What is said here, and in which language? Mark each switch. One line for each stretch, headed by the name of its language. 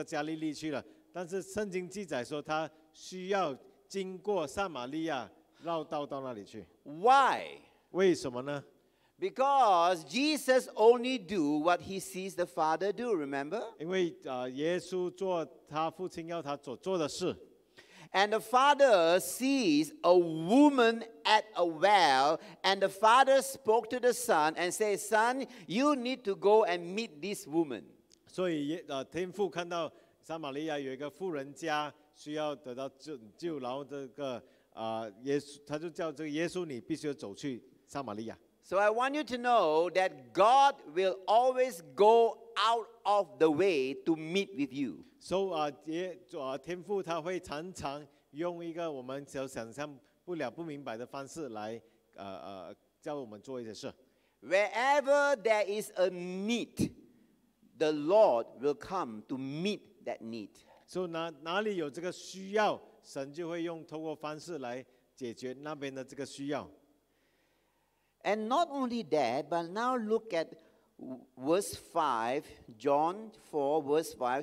Chinese: 其实啊，耶稣可以直接知道这个加利利去了，但是圣经记载说他。需要经过撒玛利亚绕道到那里去。
English: Why?
Chinese: 为什么呢？
English: Because Jesus only do what he sees the Father do, remember?
Chinese: 因为耶稣做他父亲要他所做的事。
English: And the Father sees a woman at a well, and the Father spoke to the Son and said, Son, you need to go and meet this woman.
Chinese: 所以天父看到撒玛利亚有一个妇人家， 需要得到救，然后这个耶稣，他就叫这个耶稣，你必须要走去撒玛利亚。
English: So I want you to know that God will always go out of the way to meet with you.
Chinese: So 天父他会常常用一个我们所想象不了、不明白的方式来叫我们做一些事。
English: Wherever there is a need, the Lord will come to meet that need.
Chinese: 所以哪里有这个需要，神就会用透过方式来解决那边的这个需要。And
English: not only that, but now look at verse 5, John 4, verse 5.